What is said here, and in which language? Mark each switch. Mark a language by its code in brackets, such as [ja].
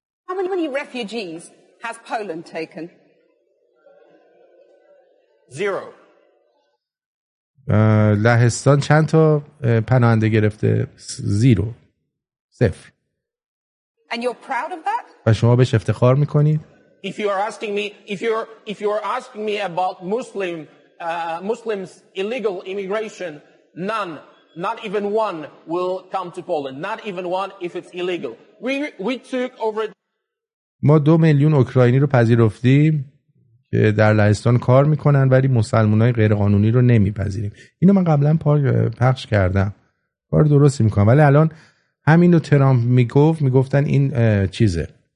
[en] How many refugees has Poland taken? Zero. [fa] لهستان چند تا پناهنده گرفته؟ زیرو، صفر. [en] And you're proud of that? [fa] و شما بهش افتخار میکنید؟ [en] If you are asking me, if you are asking me about Muslims illegal immigration, none, not even one will come to Poland, not even one if it's illegal. We took over. [fa] ما 2 میلیون اوکراینی رو پذیرفتیم که در لهستان کار میکنن، ولی مسلمانای غیر قانونی رو نمیپذیریم. اینو من قبلا پخش کردم. کار درستی میکنم، ولی الان همینو ترامپ میگفت، میگفتن این چیزه.